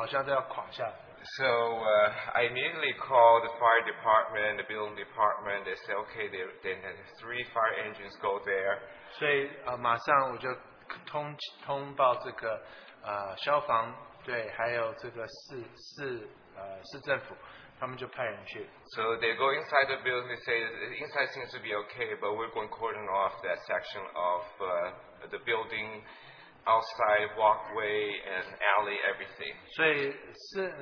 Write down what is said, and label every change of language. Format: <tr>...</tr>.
<en>I immediately called the fire department, the building department. They said, okay, then three fire engines go there. So,</en> <zh>马上我就通报这个消防队，还有这个市政府。</zh> <en>So they go inside the building, they say inside seems to be okay, but we're going to cordon off that section of the building, outside, walkway, and alley, everything.</en>